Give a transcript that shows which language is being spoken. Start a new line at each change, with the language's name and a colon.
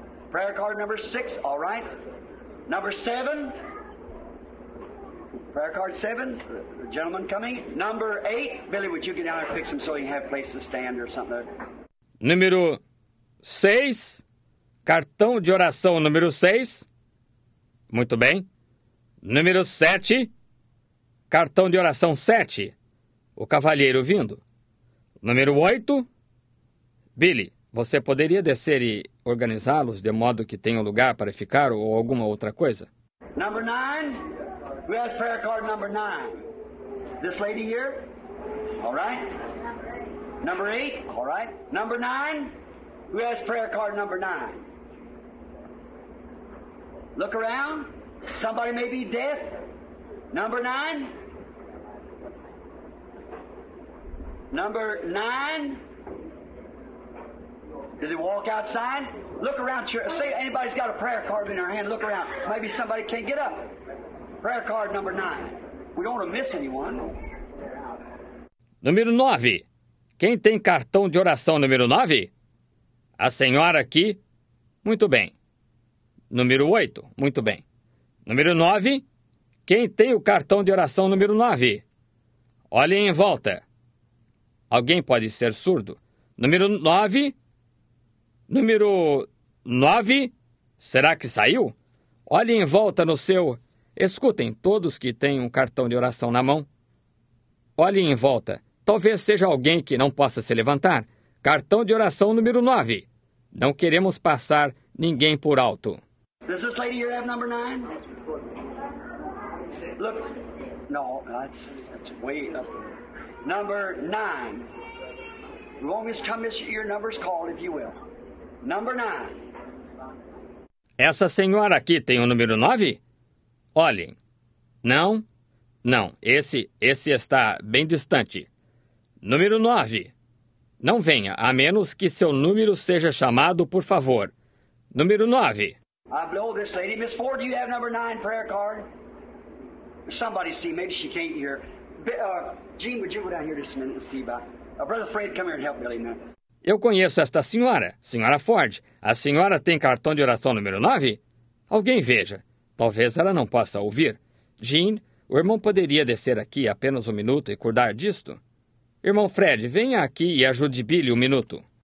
English: Prayer card number 6, all right. Number 7. Prayer card 7, the gentleman coming. Number 8, Billy, would you get out and fix him so he can have a place to stand or something?
Portuguese: Número 6, cartão de oração número 6. Muito bem. Número 7, cartão de oração 7. O cavalheiro vindo. Número 8, Billy, você poderia descer e organizá-los de modo que tenha um lugar para ficar ou alguma outra coisa?
English: Number 9, we ask prayer card number 9. This lady here, all right? Number 8, all right. Number 9, who has prayer card number 9? Look around. Somebody may be deaf. Number 9. Number 9. Did they walk outside? Look around. Say anybody's got a prayer card in their hand. Look around. Maybe somebody can't get up. Prayer card number 9. We don't want to miss anyone.
Portuguese: Número 9. Quem tem cartão de oração número 9? A senhora aqui. Muito bem. Número 8. Muito bem. Número 9. Quem tem o cartão de oração número 9? Olhem em volta. Alguém pode ser surdo? Número 9. Número 9. Será que saiu? Olhem em volta no seu... Escutem, todos que têm um cartão de oração na mão. Olhem em volta. Talvez seja alguém que não possa se levantar. Cartão de oração número 9. Não queremos passar ninguém por alto.
English: Does this lady here have number 9? Look. No, that's way up. Number 9. You always come as your number's called, if you will. Number 9.
Portuguese: Essa senhora aqui tem o número 9? Olhem. Não. Não. Esse está bem distante. Número 9. Não venha, a menos que seu número seja chamado, por favor. Número 9.
English: I blow this lady. Miss Ford, do you have number 9 prayer card? Somebody see, maybe she can't hear. Gene, would you go down here just a minute and see about Brother Fred, come here and help Billy, man.
Portuguese: Eu conheço esta senhora, senhora Ford. A senhora tem cartão de oração número 9? Alguém veja. Talvez ela não possa ouvir. Gene, o irmão poderia descer aqui apenas um minuto e cuidar disto? Irmão Fred, venha aqui e ajude Billy um minuto.